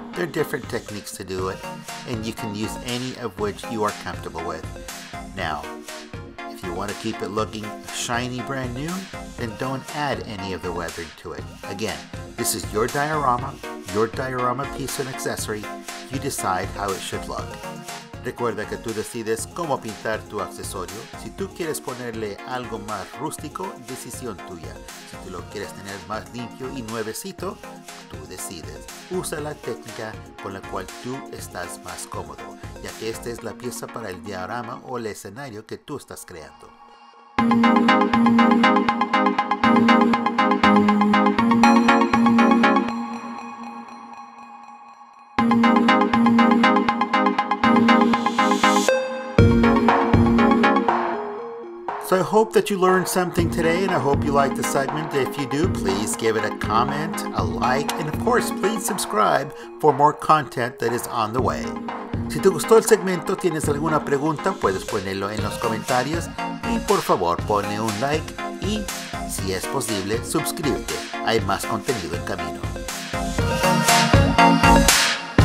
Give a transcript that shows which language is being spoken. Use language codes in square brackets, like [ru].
[en] There are different techniques to do it, and you can use any of which you are comfortable with. Now, if you want to keep it looking shiny brand new, then don't add any of the weathering to it. Again, this is your diorama piece and accessory. You decide how it should look. [es] Recuerda que tú decides cómo pintar tu accesorio. Si tú quieres ponerle algo más rústico, decisión tuya. Si tú lo quieres tener más limpio y nuevecito, tú decides. Usa la técnica con la cual tú estás más cómodo, ya que esta es la pieza para el diorama o el escenario que tú estás creando. [en] So I hope that you learned something today, and I hope you liked the segment. If you do, please give it a comment, a like, and of course, please subscribe for more content that is on the way. [es] Si te gustó el segmento, tienes alguna pregunta, puedes ponerlo en los comentarios. Y por favor, pone un like y, si es posible, suscríbete. Hay más contenido en camino.